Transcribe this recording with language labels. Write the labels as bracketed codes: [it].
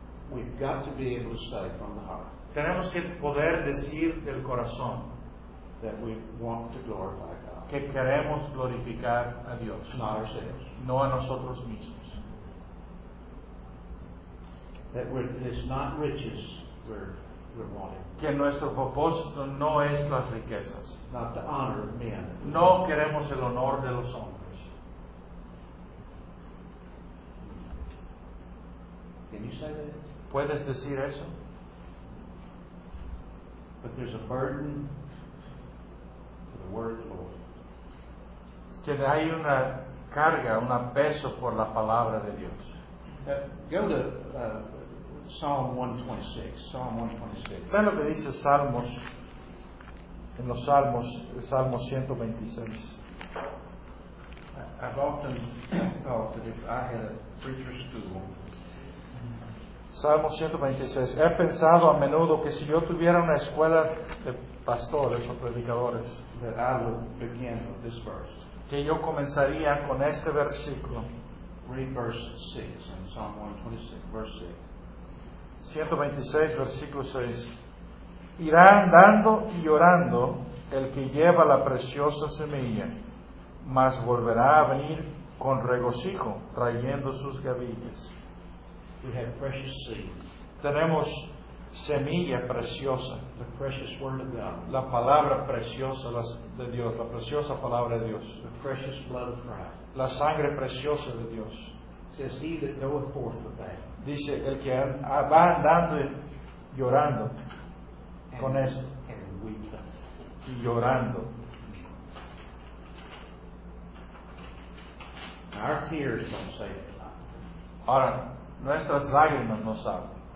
[en] We've got to be able to say from the heart. [es] Tenemos que poder decir del corazón. [en] That we want to glorify God. [es] Que queremos glorificar a Dios. [en] Not ourselves. [es] No a nosotros mismos. [en] That it's not riches we're wanting. [es] Que nuestro propósito no es las riquezas. [en] Not the honor of men. [es] No queremos el honor de los hombres. [en] Can you say that? [es] ¿Puedes decir eso? [en] But there's a burden for the word of the Lord. [es] Que hay una carga, un peso por la palabra de Dios. [en] Go to Psalm 126. [es] Ve lo que dice Salmos, en los Salmos, el Salmo 126. [en] I've often thought that if I had a preacher's stool. [es] Salmo 126. He pensado a menudo que si yo tuviera una escuela de pastores o predicadores, [en] that I would begin with this verse. [es] Que yo comenzaría con este versículo. [en] Read verse 6 in Psalm 126, verse 6. [es] 126, versículo 6. Irá andando y llorando el que lleva la preciosa semilla, mas volverá a venir con regocijo, trayendo sus gavillas. [en] We have precious seed. [es] Tenemos semilla preciosa. [en] The precious word of God. [es] La palabra preciosa de Dios, la preciosa palabra de Dios. [en] The precious blood of Christ. [es] La sangre preciosa de Dios. [en] Says he that goeth forth with that. [es] Dice el que va andando y llorando con esto. [en] And weeping. [es] Y llorando. [en] Our tears don't say it. [es] Ahora, nuestras lágrimas no saben.